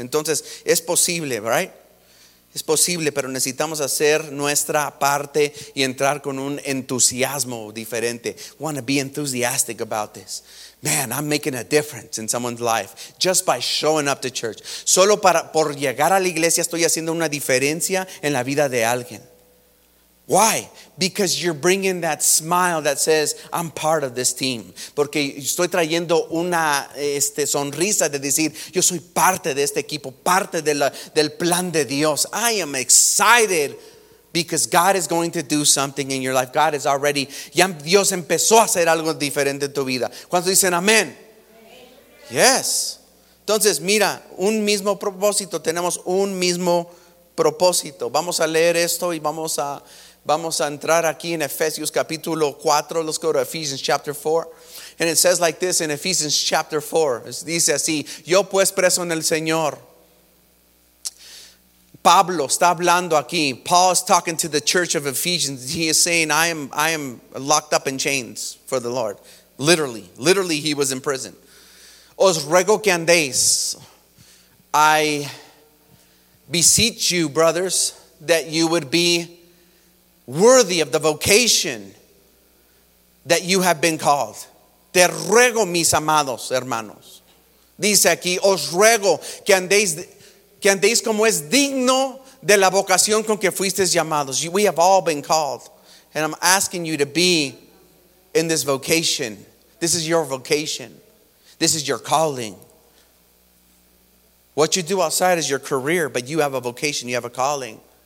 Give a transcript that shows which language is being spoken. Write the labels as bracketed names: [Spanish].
[Spanish] Entonces es posible, right? Es posible, pero necesitamos hacer nuestra parte y entrar con un entusiasmo diferente. [English] Want to be enthusiastic about this. Man, I'm making a difference in someone's life just by showing up to church. [Spanish] Solo por llegar a la iglesia estoy haciendo una diferencia en la vida de alguien. [English] Why? Because you're bringing that smile that says, I'm part of this team. [Spanish] Porque estoy trayendo una sonrisa de decir, yo soy parte de este equipo, parte del plan de Dios. [English] I am excited because God is going to do something in your life. God is already, [Spanish] ya Dios empezó a hacer algo diferente en tu vida. ¿Cuántos dicen amén? Yes. Entonces, mira, un mismo propósito. Tenemos un mismo propósito. Vamos a leer esto y vamos a entrar aquí en Efesios capítulo 4. [English] Let's go to Ephesians chapter 4. And it says like this in Ephesians chapter 4. [Spanish] Dice así, yo pues preso en el Señor. Pablo está hablando aquí. [English] Paul is talking to the church of Ephesians. He is saying, I am locked up in chains for the Lord. Literally he was in prison. [Spanish] Os ruego que andéis. [English] I beseech you, brothers, that you would be worthy of the vocation that you have been called. [Spanish] Te ruego, mis amados hermanos. Dice aquí, os ruego que andéis como es digno de la vocación con que fuisteis llamados. [English] We have all been called. And I'm asking you to be in this vocation. This is your vocation. This is your calling. What you do outside is your career, but you have a vocation, you have a calling.